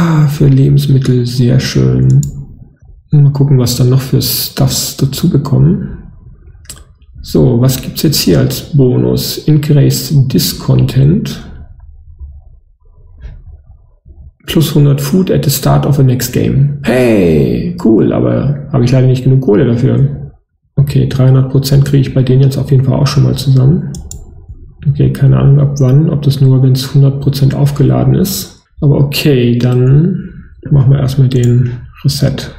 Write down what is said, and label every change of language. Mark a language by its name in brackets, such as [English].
[German] Für Lebensmittel, sehr schön. Mal gucken, was dann noch für Stuffs dazu bekommen. So, was gibt es jetzt hier als Bonus? [English] Increased Discontent. Plus 100 Food at the start of the next game. [German] Hey, cool, aber habe ich leider nicht genug Kohle dafür. Okay, 300% kriege ich bei denen jetzt auf jeden Fall auch schon mal zusammen. Okay, keine Ahnung ab wann, ob das nur, wenn es 100% aufgeladen ist. Aber okay, dann machen wir erstmal den Reset.